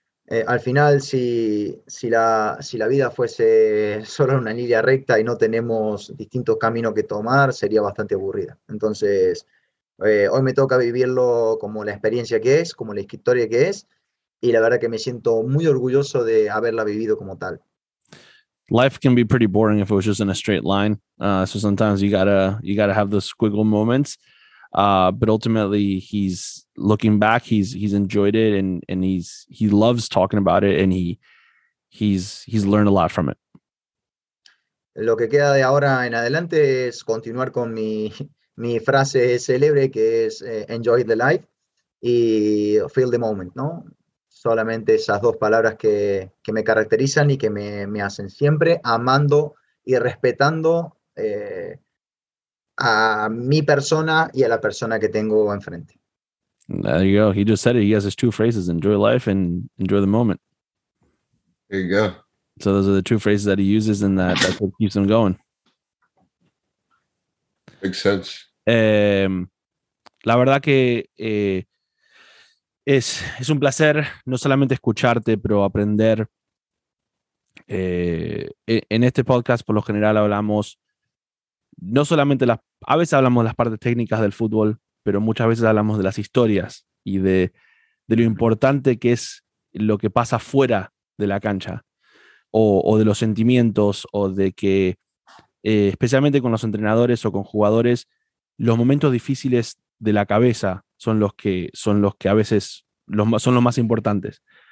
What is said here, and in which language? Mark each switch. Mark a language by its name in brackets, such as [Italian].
[Spanish] Al final, si la vida fuese solo una línea recta y no tenemos distintos caminos que tomar, sería bastante aburrida. Entonces, hoy me toca vivirlo como la experiencia que es, como la historia que es, y la verdad que me siento muy orgulloso de haberla vivido como tal. [English] Life can be pretty boring if it was just in a straight line. So sometimes you gotta have those squiggle moments. But ultimately he's looking back, he's enjoyed it and he loves talking about it, and he's learned a lot from it. [Spanish] Lo que queda de ahora en adelante es continuar con mi frase célebre, que es [English] enjoy the life [Spanish] y [English] feel the moment, [Spanish] ¿no? Solamente esas dos palabras que me caracterizan y que me hacen siempre amando y respetando a mi persona y a la persona que tengo enfrente. [English] There you go. He just said it. He has his two phrases: enjoy life and enjoy the moment. There you go. So those are the two phrases that he uses, and that's what keeps him going. Makes sense. [Spanish] La verdad que es un placer no solamente escucharte, pero aprender. En este podcast, por lo general, hablamos no solamente a veces hablamos de las partes técnicas del fútbol, pero muchas veces hablamos de las historias y de lo importante que es lo que pasa fuera de la cancha, o de los sentimientos, o de que, especialmente con los entrenadores o con jugadores, los momentos difíciles de la cabeza son los que a veces son los más importantes.